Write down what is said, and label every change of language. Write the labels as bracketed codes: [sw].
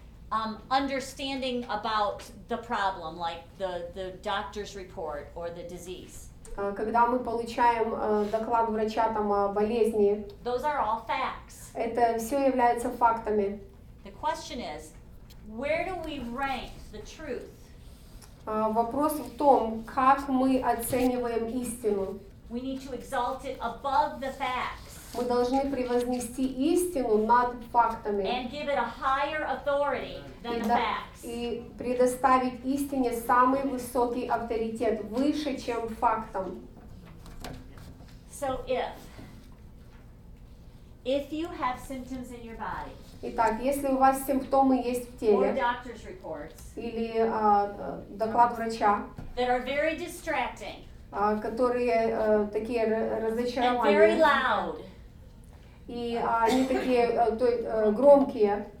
[en] Understanding about the problem, like the doctor's report or the disease. [ru] Когда мы получаем доклад врача там, о болезни. [en] Those are all facts. [ru] Это все является фактами. [en] The question is, where do we rank the truth? [ru] Вопрос в том, как мы оцениваем истину. [en] We need to exalt it above the facts. [ru] Мы должны превознести истину над фактами. [en] And give it a higher authority than the facts. [ru] И предоставить истине самый высокий авторитет, выше, чем фактам. [en] So if you have symptoms in your body, [ru] итак, если у вас симптомы есть в теле, [en] or doctor's reports, [ru] или доклад врача, [en] that are very distracting, [ru] которые такие разочаровательные, [en] and very loud, [ru] и они такие громкие,